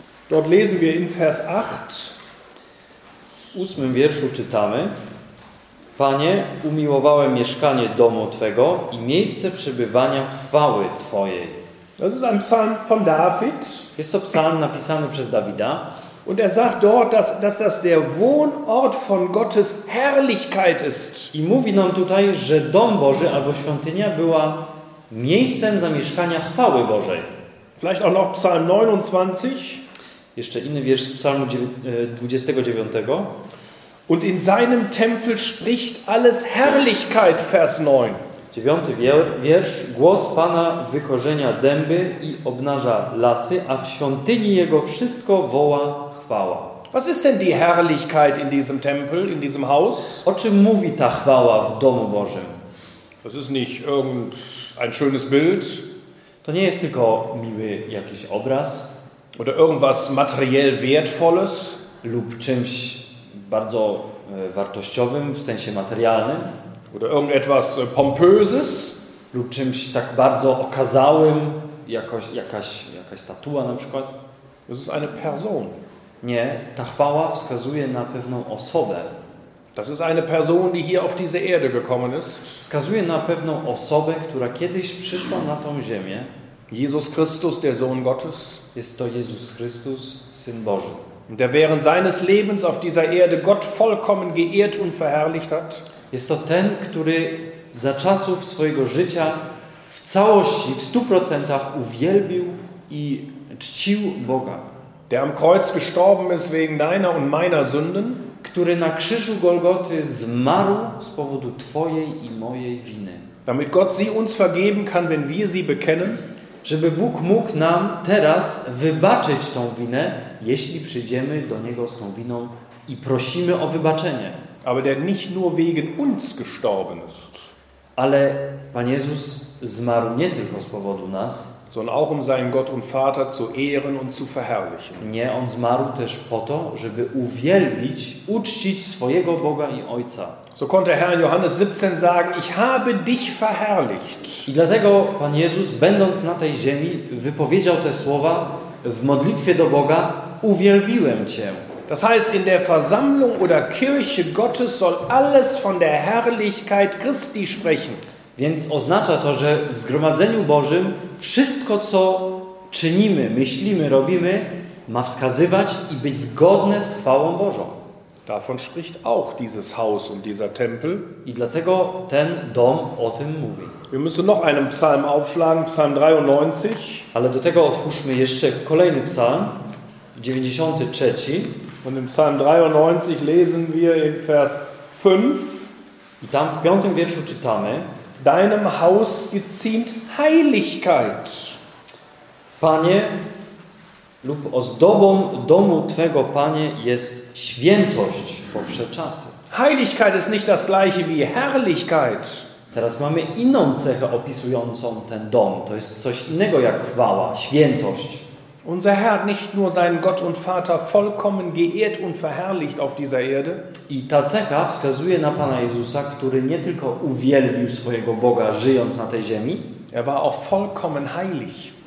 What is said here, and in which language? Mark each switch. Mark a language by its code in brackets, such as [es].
[de] Dort lesen wir in Vers 8. [pl] W 8. wierszu czytamy: Panie, umiłowałem mieszkanie domu Twego i miejsce przebywania chwały Twojej. [de] Das ist ein Psalm von David. [pl] Jest to psalm napisany przez Dawida. [de] Und sagt dort, dass das der Wohnort von Gottes Herrlichkeit ist. [pl] I mówi nam tutaj, że dom Boży albo świątynia była miejscem zamieszkania chwały Bożej. [de] Vielleicht auch noch Psalm 29. [pl] Jeszcze inny wiersz z psalmu 29. [de] Und in seinem Tempel spricht alles Herrlichkeit, Vers 9. [pl] 9. wiersz: Głos Pana wykorzenia dęby i obnaża lasy, a w świątyni jego wszystko woła chwała. [de] Was ist denn die Herrlichkeit in diesem Tempel, in diesem Haus? [pl] O czym mówi ta chwała w domu Bożym? [de] Das ist nicht irgendein schönes Bild. [pl] To nie jest tylko miły jakiś obraz. [de] Oder irgendwas materiell wertvolles. [pl] Lub czymś bardzo wartościowym w sensie materialnym. [de] Oder irgendetwas pompöses. [pl] Lub czymś tak bardzo okazałym, jakaś statua na przykład. [de] Das ist eine Person. [pl] Nie, ta chwała wskazuje na pewną osobę. [de] Das ist eine Person, die hier auf diese Erde gekommen ist. [pl] Wskazuje na pewną osobę, która kiedyś przyszła na tą ziemię. [de] Jesus Christus, der Sohn Gottes. [pl] Jest to Jezus Chrystus, Syn Boży. [de] Der während seines Lebens auf dieser Erde Gott vollkommen geehrt und verherrlicht hat. [pl] Jest to ten, który za czasów swojego życia w całości, w 100% uwielbił i czcił Boga. [de] Der am Kreuz gestorben ist wegen deiner und meiner Sünden. [pl] Który na krzyżu Golgoty zmarł z powodu Twojej i mojej winy. [de] Damit Gott sie uns vergeben kann, wenn wir sie bekennen. [pl] Żeby Bóg mógł nam teraz wybaczyć tą winę, jeśli przyjdziemy do Niego z tą winą i prosimy o wybaczenie. [de] Aber der nicht nur wegen uns gestorben ist. [pl] Ale Pan Jezus zmarł nie tylko z powodu nas, [de] sondern auch um seinen Gott und Vater zu ehren und zu verherrlichen. [pl] Nie, on zmarł też po to, żeby uwielbić, uczcić swojego Boga i Ojca. [de] So konnte Herr Johannes 17 sagen: Ich habe dich verherrlicht. [pl] I dlatego Pan Jezus, będąc na tej ziemi, wypowiedział te słowa w modlitwie do Boga: Uwielbiłem Cię. [de] Das heißt, in der Versammlung oder Kirche Gottes soll alles von der Herrlichkeit Christi sprechen. [pl] Więc oznacza to, że w zgromadzeniu Bożym wszystko, co czynimy, myślimy, robimy, ma wskazywać i być zgodne z chwałą Bożą. [de] Davon spricht auch dieses Haus und dieser Tempel. [pl] I dlatego ten dom o tym mówi. [de] Wir müssen noch einen Psalm aufschlagen, Psalm 93. [pl] Ale do tego otwórzmy jeszcze kolejny psalm, 93. [de] Und im Psalm 93 lesen wir in Vers 5. [pl] I tam w piątym wierszu czytamy: [de] Deinem Haus geziemt Heiligkeit. [pl] Panie, lub ozdobą domu Twego, Panie, jest świętość po wsze czasy. [de] Heiligkeit ist nicht das gleiche wie Herrlichkeit. [pl] Teraz mamy inną cechę opisującą ten dom. To jest coś innego jak chwała, świętość. [de] Unser Herr hat nicht nur seinen Gott und Vater vollkommen geehrt und verherrlicht auf dieser Erde. [pl] I ta cecha wskazuje na Pana Jezusa, który nie tylko uwielbił swojego Boga, żyjąc na tej ziemi. [de] Er war auch vollkommen heilig.